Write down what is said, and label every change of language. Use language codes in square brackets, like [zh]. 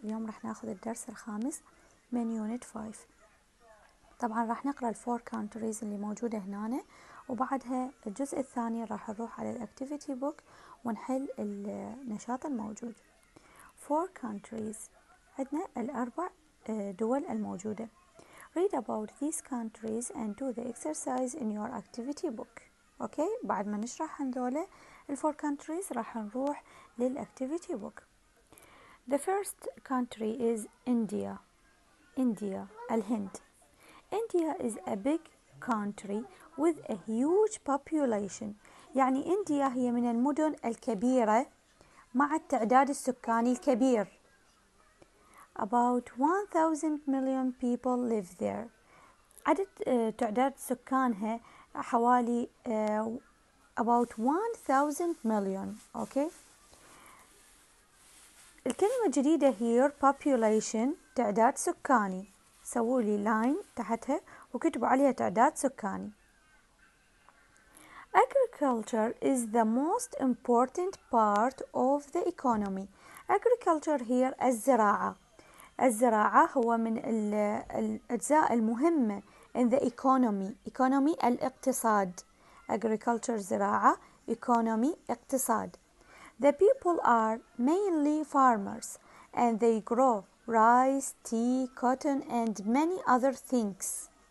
[ar] اليوم راح ناخذ الدرس الخامس من يونت 5. طبعا راح نقرأ الفور كانتريز اللي موجودة هنا، وبعدها الجزء الثاني راح نروح على الاكتيفيتي بوك ونحل النشاط الموجود. فور كانتريز، عندنا الأربع دول الموجودة. [en] Read about these countries and do the exercise in your activity book. Okay. [ar] بعد ما نشرح هذول الفور كانتريز راح نروح للاكتيفيتي بوك. [en] The first country is India. India، [ar] الهند. [en] India is a big country with a huge population. [ar] يعني إنديا هي من المدن الكبيرة مع التعداد السكاني الكبير. [en] About 1,000 million people live there. [ar] عدد تعداد سكانها حوالي [en] about 1,000 million. Okay. [ar] الكلمة الجديدة [en] here population [ar] تعداد سكاني. سووا لي line تحتها وكتبوا عليها تعداد سكاني. [en] Agriculture is the most important part of the economy. Agriculture here [ar] الزراعة. الزراعة هو من الأجزاء المهمة [en] in the economy. Economy [ar] الاقتصاد. [en] Agriculture [ar] زراعة. [en] Economy اقتصاد. The people are mainly farmers and they grow rice, tea, cotton and many other things.